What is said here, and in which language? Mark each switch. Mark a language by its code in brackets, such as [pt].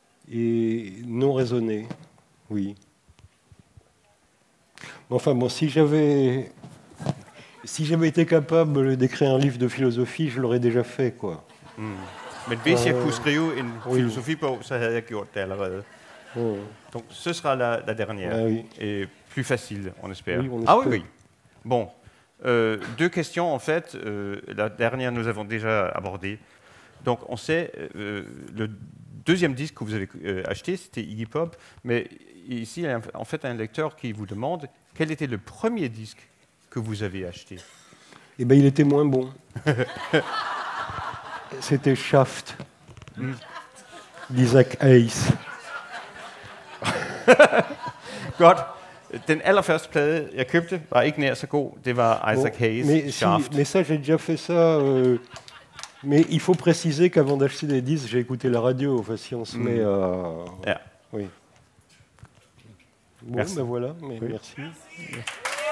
[fr] Et non raisonnée. Oui. Enfin bon, si j'avais été capable d'écrire un livre de philosophie, je l'aurais déjà fait, quoi. [da] Mais hvis jeg kunne skrive en filosofibog, så havde jeg gjort det allerede. [fr] Donc ce sera la dernière et plus facile, on espère. Oui. Bon, deux questions en fait. La dernière, nous avons déjà abordé. Donc on sait le deuxième disque que vous avez acheté, c'était Iggy Pop, mais ici, il y a en fait un lecteur qui vous demande quel était le premier disque que vous avez acheté. Eh bien, il était moins bon. C'était Shaft d'Isaac Hayes. [da] Godt. Den allerførste plade, jeg købte, var ikke nær så god. Det var Isaac Hayes, [fr] mais [da] Shaft. [fr] Si, mais ça, j'ai déjà fait ça. Mais il faut préciser qu'avant d'acheter des disques, j'ai écouté la radio. Enfin, si on se met à... [en] Yeah. [fr] Oui. Bon, merci. Ben voilà, mais oui. Merci. Merci.